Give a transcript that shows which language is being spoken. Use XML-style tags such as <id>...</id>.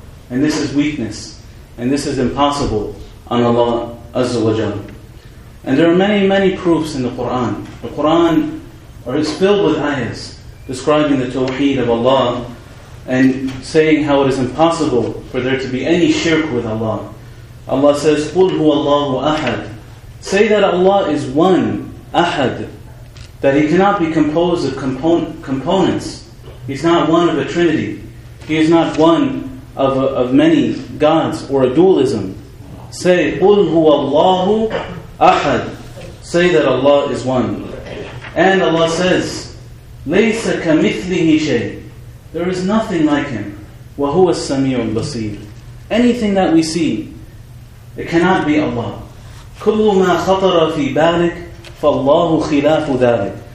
<en>And this is weakness. And this is impossible on Allah Azza wa Jalla. And there are many, many proofs in the Qur'an. The Qur'an is filled with ayahs describing the tawheed of Allah and saying how it is impossible for there to be any shirk with Allah. Allah says,</en> <ar>قُلْ هُوَ اللَّهُ أَحَدٌ.</ar> <en>Say that Allah is one, أَحَد, that He cannot be composed of components. He's not one of a trinity. He is not one of many gods or a dualism. Say,</en> <ar>قُلْ هُوَ اللَّهُ أحد.</ar> <en>Say that Allah is one. And Allah says,</en> <ar>لَيْسَ كَمِثْلِهِ شَيْءٍ.</ar> <en>There is nothing like Him.</en> <ar>وَهُوَ السَّمِيعُ الْبَصِيرُ.</ar> <en>Anything that we see, it cannot be Allah.</en> <ar>كُلُّ مَا خَطَرَ فِي بَالِكَ فَاللَّهُ خِلَافُ ذَلِكَ.</ar>